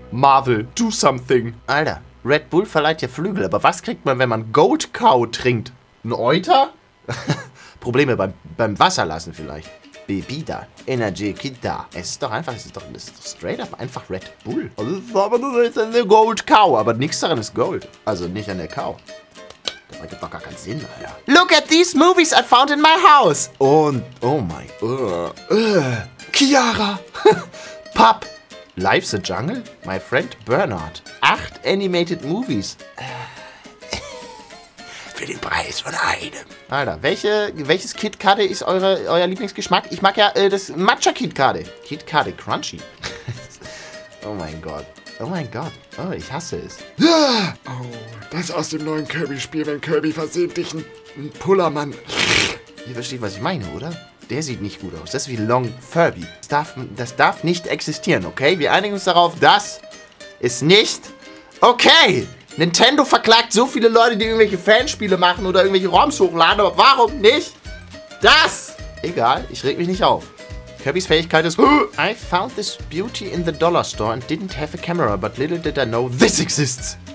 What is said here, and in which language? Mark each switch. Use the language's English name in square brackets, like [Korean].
[English] Marvel, do something. [German] Alter, Red Bull verleiht dir Flügel, aber was kriegt man, wenn man Gold Cow trinkt? Ein Euter? Probleme beim Wasserlassen vielleicht. Bebida, Energy Kita. Es ist doch straight up einfach Red Bull. Also es ist aber nur eine Gold Cow, aber nichts daran ist Gold. Also nicht an der Cow. Das macht doch gar keinen Sinn, Alter. [English] Look at these movies I found in my house. [German] Und, oh mein Kiara. Pop. Life's a Jungle. [English] My Friend Bernard. 8 animated movies. [German] Für den Preis von einem. Alter, welches KitKatte ist euer Lieblingsgeschmack? Ich mag ja das Matcha KitKatte. KitKatte Crunchy. Oh mein Gott. Oh, ich hasse es. Oh, das aus dem neuen Kirby-Spiel, wenn Kirby versehentlich ein Pullermann. Ihr versteht, was ich meine, oder? Der sieht nicht gut aus. Das ist wie Long Furby. Das darf nicht existieren, okay? Wir einigen uns darauf, das ist nicht okay. Nintendo verklagt so viele Leute, die irgendwelche Fanspiele machen oder irgendwelche ROMs hochladen, aber warum nicht das? Egal, ich reg mich nicht auf. Kirby's Fähigkeit ist... [English] I found this beauty in the dollar store and didn't have a camera, but little did I know this exists.